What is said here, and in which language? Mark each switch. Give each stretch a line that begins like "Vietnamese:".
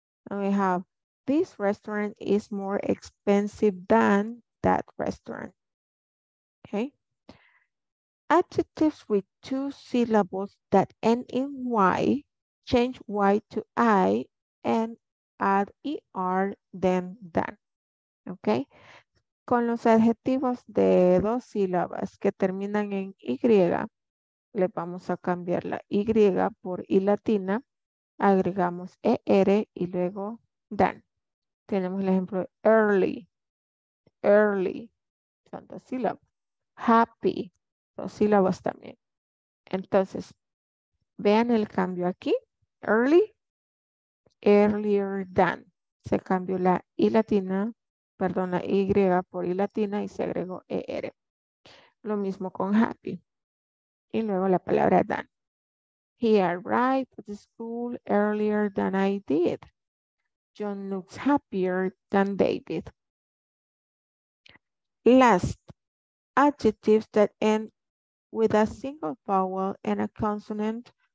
English: And we have this restaurant is more expensive than that restaurant. Okay. Adjectives with two syllables that end in Y, change Y to I and add ER, then done. Ok.
Spanish: Con los adjetivos de dos sílabas que terminan en Y, le vamos a cambiar la Y por I latina. Agregamos ER y luego done. Tenemos el ejemplo early. Early. Son dos sílabas. Happy. Dos sílabas también. Entonces, vean el cambio aquí.
English: Early, earlier than.
Spanish: Se cambió la I latina, perdón, la Y por I latina y se agregó ER. Lo mismo con happy. Y luego la palabra than.
English: He arrived at the school earlier than I did. John looks happier than David. Last, adjectives that end with a single vowel and a consonant.